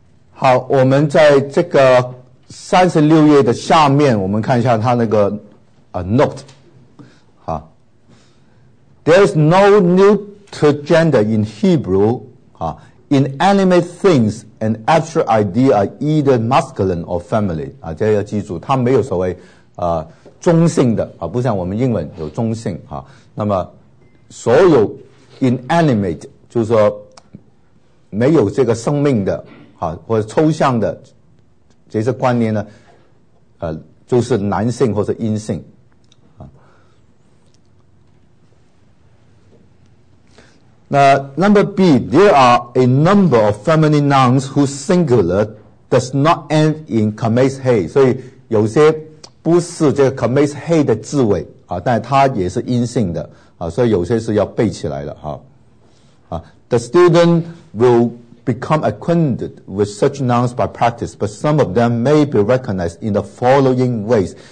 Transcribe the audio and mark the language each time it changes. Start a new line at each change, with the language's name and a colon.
Chinese: 好，我们在这个36页的下面，我们看一下它那个note。
English: There is no neutral gender in Hebrew. Inanimate things and abstract ideas are either masculine or feminine.
Chinese: 这要记住，它没有所谓中性的不像我们英文有中性那么所有 inanimate 就是说没有这个生命的或者抽象的这些观念呢就是男性或者阴性。
English: 那 number B, there are a number of feminine nouns whose singular does not end in kamis he,
Chinese: 所以有些不是这个 kamis he 的字尾但它也是阴性的所以有些是要背起来的
English: The student will become acquainted with such nouns by practice, but some of them may be recognized in the following ways.